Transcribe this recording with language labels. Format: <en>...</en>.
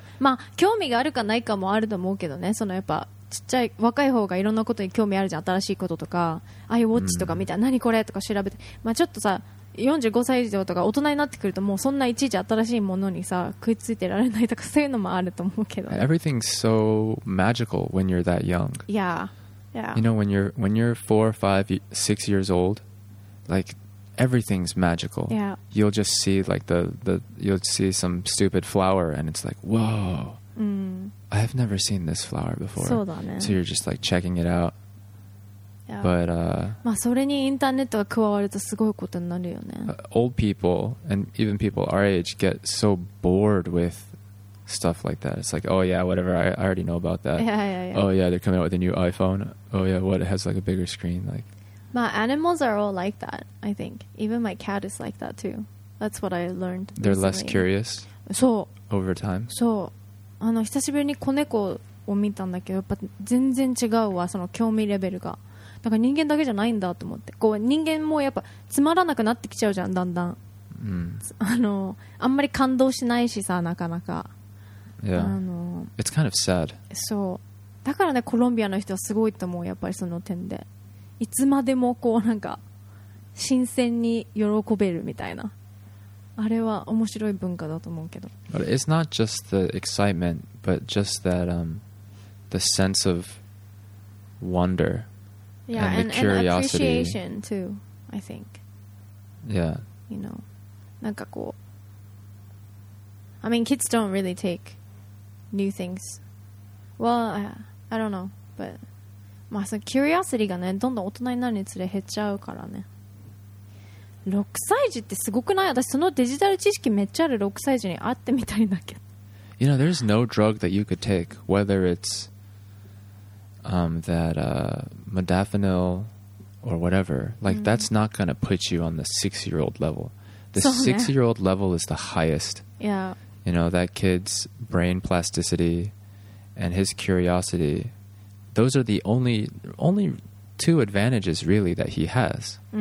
<ja>まあ興味があるかないかもあると思うけどね。そのやっぱちっちゃい若い方がいろんなことに興味あるじゃん。新しいこととか、アイウォッチとか見たら何これとか調べて、まあちょっとさ、45歳以上とか大人になってくるともうそんないちいち新しいものにさ食いついてられないとか、そういうのもあると思うけど、ね。</ja> <en>Everything's so magical when you're that young. Yeah, yeah. You know when you're 4, 5, 6 years old, like everything's magical. Yeah. You'll just see like the you'll see some stupid flower and it's like whoa. I have never seen this flower before.</en> <ja>そうだね。</ja> <en>So you're just like checking it out. Yeah. But,</en> <ja>まあそれにインターネットが加わるとすごいことになるよね。</ja> <en>Old people and even people our age get so bored with stuff like that. It's like, oh yeah, whatever, I already know about that. Yeah, yeah, yeah. Oh yeah, they're coming out with a new iPhone. Oh yeah, what, it has like a bigger screen. Like, my animals are all like that, I think. Even my cat is like that too. That's what I learned. They're recently. Less curious.</en> <ja>そう。</ja> <en>Over time.</en> <ja>そう。あの久しぶりに子猫を見たんだけど、やっぱ全然違うわ、その興味レベルが。だから人間だけじゃないんだと思って、こう人間もやっぱつまらなくなってきちゃうじゃん、だんだん、あんまり感動しないしさ、なかなか、</ja> <en>yeah. It's kind of sad.</en> <ja>そう。だからね、コロンビアの人はすごいと思う、やっぱりその点で、いつまでもこうなんか新鮮に喜べるみたいな、あれは面白い文化だと思うけど。</ja> <en>But it's not just the excitement, but just that the sense of wonder Yeah, and appreciation too, I think. Yeah. You know, なんかこう、I mean, kids don't really take new things. Well, I don't know, but</en> <ja>まあその curiosity がね、どんどん大人になるにつれ減っちゃうからね。 6歳児ってすごくない？私そのデジタル知識めっちゃある6歳児に会ってみたいんだけど。</ja> <en>You know, there's no drug that you could take, whether it'smodafinil or whatever, like that's not going to put you on the 6-year old level. The 6-year old level is the highest. Yeah. You know, that kid's brain plasticity and his curiosity, those are the only two advantages really that he has.</en>